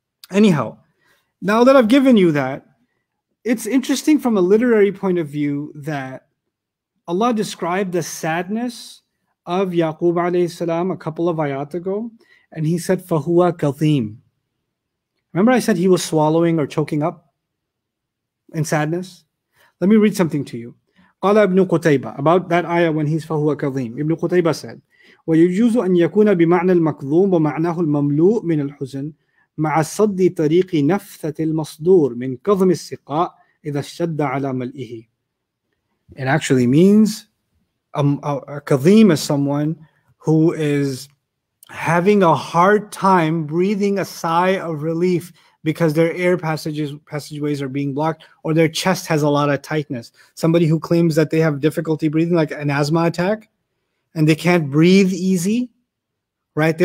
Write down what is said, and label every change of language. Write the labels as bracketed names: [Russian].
[English] Anyhow, now that I've given you that, it's interesting from a literary point of view that Allah described the sadness of Yaqub alayhi salam a couple of ayat ago, and he said, [Arabic] فَهُوَ كَثِيمٌ. [English] Remember I said he was swallowing or choking up in sadness? Let me read something to you. [Arabic] قال ابن قتيبة [English] about that ayah when he's [Arabic] فهو كظيم. [English] Ibn Qutayba said, [Arabic] وَيُجُوزُ أَنْ يَكُونَ بِمَعْنَى الْمَكْظُومِ وَمَعْنَاهُ الْمَمْلُوءِ مِنَ الْحُزْنِ مَعَ صَدِّ طَرِيقِ نَفْثَةِ الْمَصْدُورِ مِنْ كَظْمِ السِّقَاءِ إِذَا اشْتَدَّ عَلَى مَلْئِهِ. [English] It actually means a kazim is someone who is having a hard time breathing a sigh of relief because their air passageways are being blocked, or their chest has a lot of tightness. Somebody who claims that they have difficulty breathing, like an asthma attack, and they can't breathe easy, right?